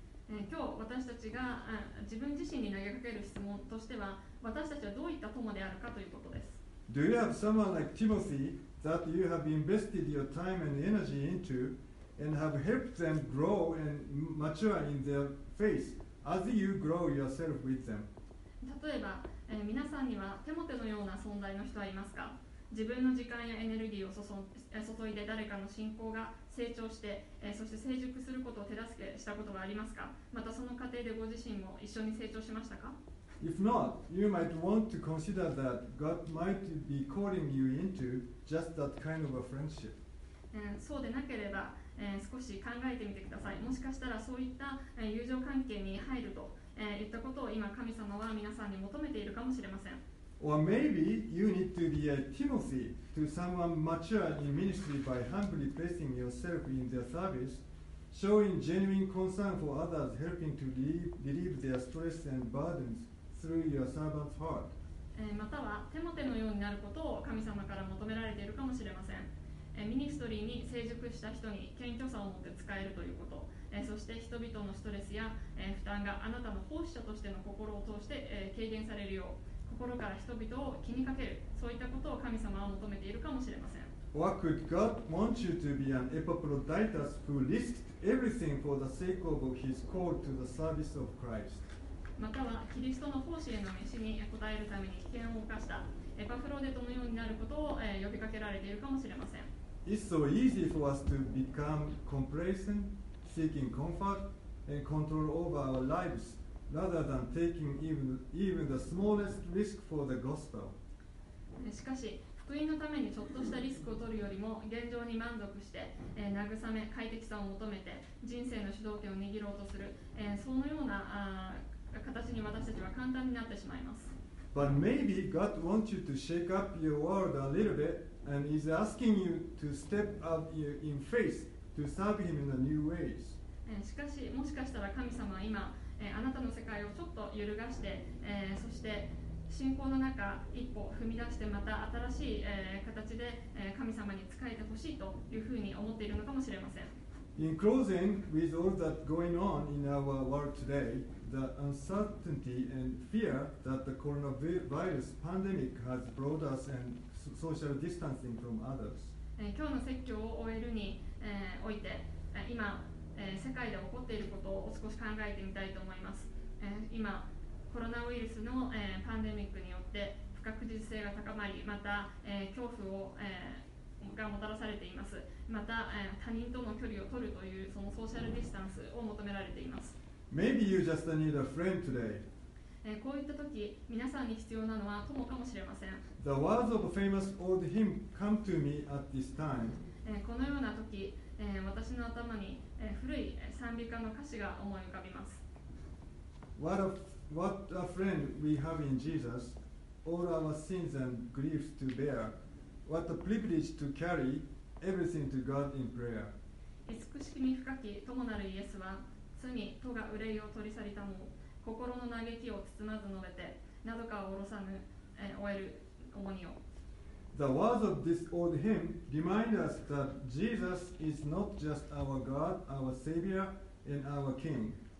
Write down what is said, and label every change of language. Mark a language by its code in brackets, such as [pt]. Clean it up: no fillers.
[ja] 今日私たちが自分自身に投げかける質問としては、私たちはどういった友であるかということです。 [en] Do you have someone like Timothy that you have invested your time and energy into and have helped them grow and mature in their faith as you grow yourself with them? [ja] 例えば、皆さんにはテモテのような存在の人はいますか？自分の時間やエネルギーを注いで誰かの信仰が成長して、そして成熟することを手助けしたことはありますか？またその過程でご自身も一緒に成長しましたか？ [en] If not, you might want to consider that God might be calling you into just that kind of a friendship. [ja] そうでなければ、少し考えてみてください。もしかしたらそういった友情関係に入ると、言ったことを今神様は皆さんに求めているかもしれません。 [en] Or maybe you need to be a Timothy to someone mature in ministry by humbly placing yourself in their service, showing genuine concern for others, helping to relieve their stress and burdens through your servant's heart. [ja] またはテモテのようになることを神様から求められているかもしれません。ミニストリーに成熟した人に謙虚さを持って使えるということ、そして人々のストレスや負担があなたの奉仕者としての心を通して軽減されるよう、心から人々を気にかける、そういったことを神様は求めているかもしれません。 [en] What could God want you to be an Epaphroditus who risked everything for the sake of his call to the service of Christ? [ja] またはキリストの奉仕への召しに応えるために危険を冒したエパフロデトのようになることを呼びかけられているかもしれません。 [en] It's so easy for us to become complacent, seeking comfort and control over our lives. Rather than taking even the smallest risk for the gospel. [ja] しかし、福音のためにちょっとしたリスクを取るよりも、現状に満足して、慰め、快適さを求めて、人生の主導権を握ろうとする、そのような形に私たちは簡単になってしまいます。 [en] But maybe God wants you to shake up your world a little bit and is asking you to step up in faith to serve Him in a new ways. [ja] しかし、もしかしたら神様は今、あなたの世界をちょっと揺るがして、そして信仰の中一歩踏み出してまた新しい、形で、神様に仕えてほしいというふうに思っているのかもしれません。 [en] In closing, with all that going on in our world today, the uncertainty and fear that the coronavirus pandemic has brought us and social distancing from others. [ja] 今日の説教を終えるに、おいて、今世界で起こっていることを少し考えてみたいと思います。今コロナウイルスのパンデミックによって不確実性が高まり、また恐怖がもたらされています。また他人との距離を取るというそのソーシャルディスタンスを求められています。 [en] Maybe you just need a friend today. [ja] こういった時皆さんに必要なのは友かもしれません。 [en] The words of a famous old hymn come to me at this time. [ja] このような時私の頭に古い賛美歌の歌詞が思い浮かびます。 [en] What a friend we have in Jesus, all our sins and griefs to bear. What a privilege to carry everything to God in prayer. [ja] 慈しみ深き友なるイエスは、罪、咎、憂いを取り去りたも、心の嘆きを包まず述べて、などかを下ろさぬ、終える重荷を。 [en] The words of this old hymn remind us that Jesus is not just our God, our Savior, and our King.